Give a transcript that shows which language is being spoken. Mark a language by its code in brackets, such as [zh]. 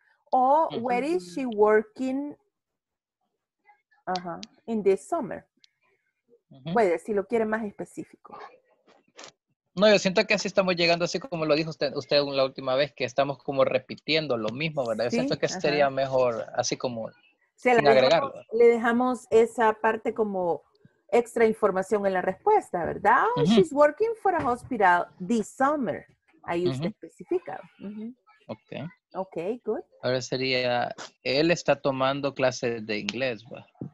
[en] O where is she working in this summer? [es] Puede, si lo quiere más específico. No, yo siento que así estamos llegando, así como lo dijo usted la última vez, que estamos como repitiendo lo mismo, ¿verdad? Yo siento que sería mejor así como sin agregarlo. Le dejamos esa parte como extra información en la respuesta, ¿verdad? [en] Oh, she's working for a hospital this summer. [es] Ahí usted especifica. Ok. [en] Ok, good. [es] Ahora sería, él está tomando clases de inglés, ¿va?